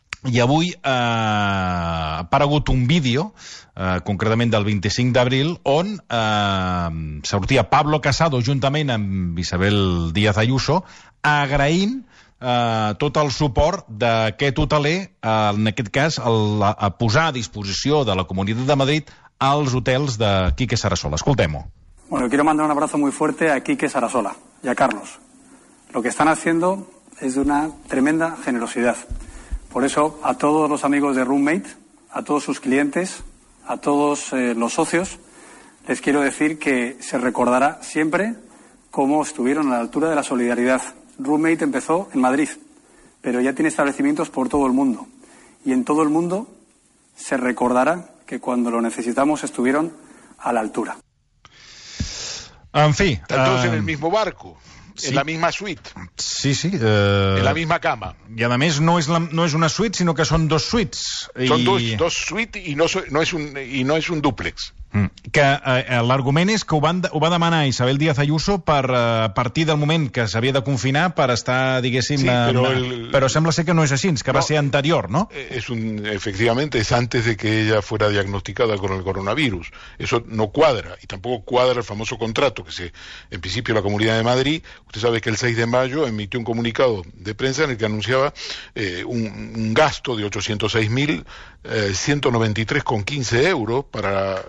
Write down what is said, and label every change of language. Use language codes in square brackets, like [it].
[ca] I avui ha aparegut un vídeo, concretament del 25 d'abril, on sortia Pablo Casado juntament amb Isabel Díaz Ayuso agraint tot el suport d'aquest hoteler, en aquest cas, a posar a disposició de la Comunitat de Madrid als hotels de Quique Sarasola. Escoltem-ho. [es] Bueno, quiero mandar un abrazo muy fuerte a Quique Sarasola y a Carlos. Lo que están haciendo es de una tremenda generosidad. Por eso, a todos los amigos de Roommate, a todos sus clientes, a todos los socios, les quiero decir que se recordará siempre cómo estuvieron a la altura de la solidaridad. Roommate empezó en Madrid, pero ya tiene establecimientos por todo el mundo. Y en todo el mundo se recordará que cuando lo necesitamos estuvieron a la altura. En fin. Están todos en el mismo barco. Sí. En la misma suite. Sí, sí. En la misma cama. Y además no es una suite, sino que son dos suites. Son dos suites y no es un duplex. [ca] Que l'argument és que ho va demanar Isabel Díaz Ayuso per a partir del moment que s'havia de confinar per estar, diguéssim... Sí, però, però sembla ser que no és així, que no, va ser anterior, no? [es] Efectivamente, es antes de que ella fuera diagnosticada con el coronavirus. Eso no cuadra, y tampoco cuadra el famoso contrato que en principio la Comunidad de Madrid, usted sabe que el 6 de mayo emitió un comunicado de prensa en el que anunciaba un gasto de 806.193,15 euros para...